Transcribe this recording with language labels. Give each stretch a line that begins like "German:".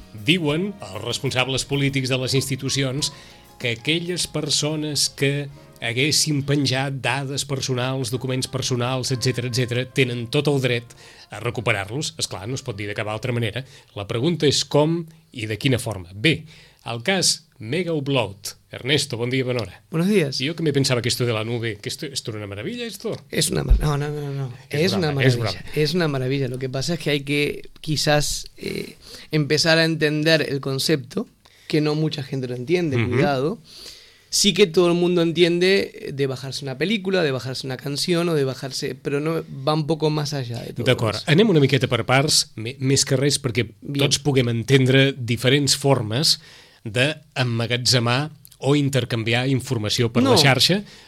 Catalan: Diuen els responsables polítics de les institucions que aquelles persones que haguessin penjat dades personals, documents personals, etc, etc, tenen tot el dret a recuperar-los. És clar, no es pot dir de cap altra manera. La pregunta és com i de quina forma. Bé, el cas Mega Upload. Ernesto, bon dia, bona hora.
Spanish: Buenos días.
Catalan: Jo que me pensava
Spanish: que esto de la nube, que esto era una maravilla, esto. Es una maravilla. No. Es una maravilla. Es una maravilla. Lo que pasa es que hay que quizás empezar a entender el concepto, que no mucha gente lo entiende, cuidado. Sí que todo el mundo entiende de bajarse una película, de bajarse una canción o de bajarse... Però no, va un poco más allá de todo.
Catalan: D'acord. Anem una miqueta per parts, més que res, perquè tots puguem entendre diferents formes d'emmagatzemar o intercanviar informació per la xarxa.